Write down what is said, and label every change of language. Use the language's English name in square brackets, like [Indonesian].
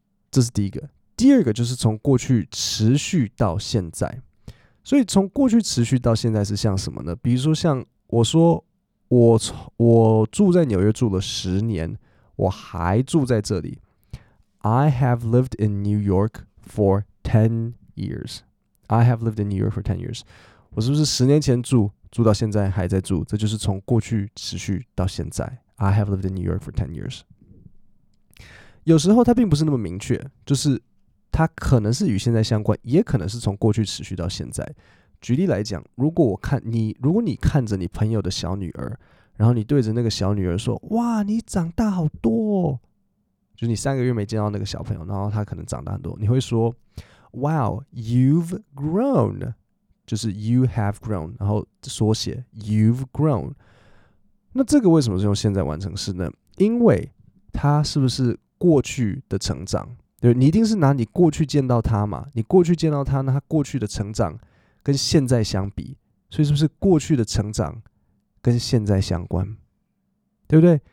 [Chinese] 这是第一个。第二个就是从过去持续到现在，所以从过去持续到现在是像什么呢？比如说像我说 我住在纽约住了十年，我还住在这里。 [English] I have lived in New York for 10 years. I have lived in New York for 10 years. [Chinese] 我是不是十年前住，住到现在还在住？这就是从过去持续到现在。 [English] I have lived in New York for 10 years. [Chinese] 有时候它并不是那么明确，就是它可能是与现在相关，也可能是从过去持续到现在。举例来讲，如果我看你，如果你看着你朋友的小女儿，然后你对着那个小女儿说：“哇，你长大好多哦！” 就你三个月没见到那个小朋友，然后她可能长大很多，你会说 ： [English] “Wow, you've grown。” [Chinese] 就是 [English] “you have grown”， [Chinese] 然后缩写 [English] “you've grown”。 [Chinese] 那这个为什么是用现在完成式呢？因为它是不是过去的成长？对，你一定是拿你过去见到他嘛，你过去见到他，那他过去的成长跟现在相比，所以是不是过去的成长跟现在相关？对不对？